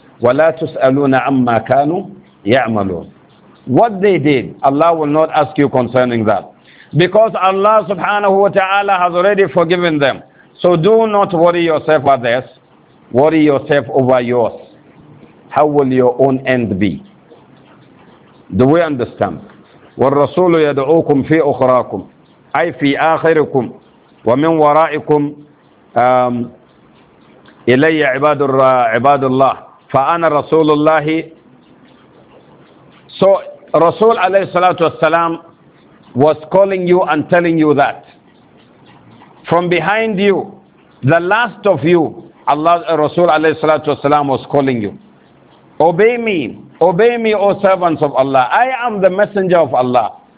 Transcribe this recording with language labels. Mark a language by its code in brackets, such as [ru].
[ar] وَلَا تُسْأَلُونَ عَمَّا كَانُوا يَعْمَلُونَ. [en] What they did, Allah will not ask you concerning that. Because Allah subhanahu wa ta'ala has already forgiven them. So do not worry yourself about this. Worry yourself over yours. How will your own end be? Do we understand? [ar] والرسول يدعوكم في أخراكم أي في آخركم ومن ورائكم إلي عباد الله فأنا رسول الله. [en] So Rasul alayhi salatu wasalam was calling you and telling you that from behind you, the last of you, Allah Rasul alayhi salatu wasalam was calling you. Obey me, O servants of Allah. I am the messenger of Allah.